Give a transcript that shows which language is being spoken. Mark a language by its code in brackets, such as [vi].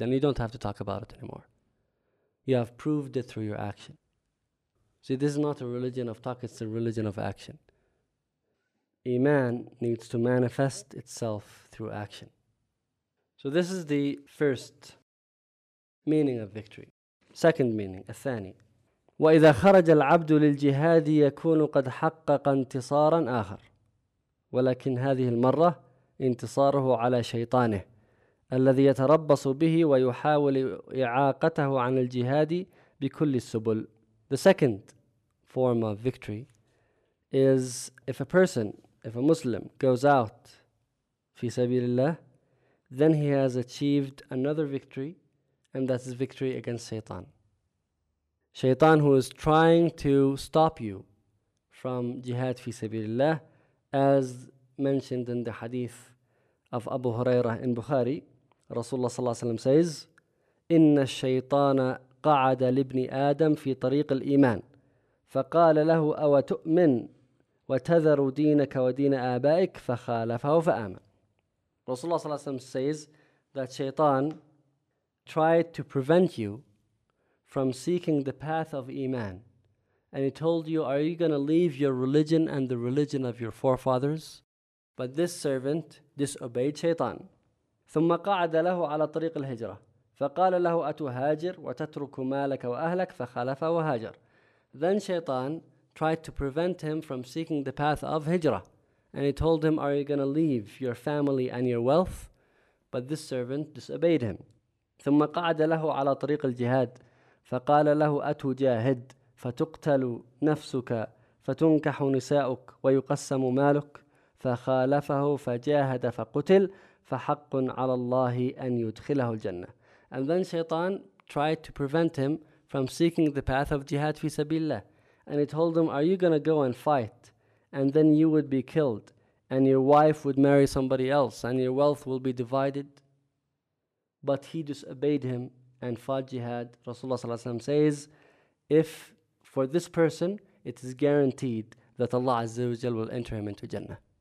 [en] And you don't have to talk about it anymore. You have proved it through your action. See, this is not a religion of talk, it's a religion of action. Iman needs to manifest itself through action. So this is the first meaning of victory. Second meaning, [ar] الثاني. وَإِذَا خَرَجَ الْعَبْدُ لِلْجِهَادِ يَكُونُ قَدْ حَقَّقَ انْتِصَارًا آخَرَ وَلَكِنْ هَذِهِ الْمَرَّةِ انْتِصَارُهُ عَلَى شَيْطَانِهِ الذي يتربص به ويحاول إعاقته عن الجهاد بكل السبل. [en] The second form of victory is if a Muslim goes out [ar] في سبيل الله, [en] then he has achieved another victory, and that is victory against Shaytan. Shaytan, who is trying to stop you from jihad [ar] في سبيل الله, [en] as mentioned in the hadith of Abu Huraira in Bukhari, [ar] رسول الله صلى الله عليه وسلم [en] says, [ar] إن الشيطان قعد لابن آدم في طريق الإيمان فقال له أو تؤمن وتذر دينك ودين آبائك فخالفه فآمن. رسول الله صلى الله عليه وسلم [en] says that Shaitan tried to prevent you from seeking the path of Iman. And he told you, are you going to leave your religion and the religion of your forefathers? But this servant disobeyed Shaitan. [ar] ثم قعد له على طريق الهجرة فقال له أتهاجر وتترك مالك وأهلك فخالف وهاجر. [en] Then Shaitan tried to prevent him from seeking the path of Hijrah. And he told him, are you going to leave your family and your wealth? But this servant disobeyed him. [ar] ثم قعد له على طريق الجهاد فقال له أتجاهد فتقتل نفسك فتنكح نساؤك ويقسم مالك فخالفه فجاهد فقتل فحق على الله أن يدخله الجنة. [en] And then Shaitan tried to prevent him from seeking the path of jihad [ar] في سبيل الله. [en] And he told him, are you going to go and fight? And then you would be killed. And your wife would marry somebody else. And your wealth will be divided. But he disobeyed him and fought jihad. Rasulullah [ar] صلى الله عليه وسلم [en] says, if for this person, it is guaranteed that Allah Azza wa Jal will enter him into Jannah.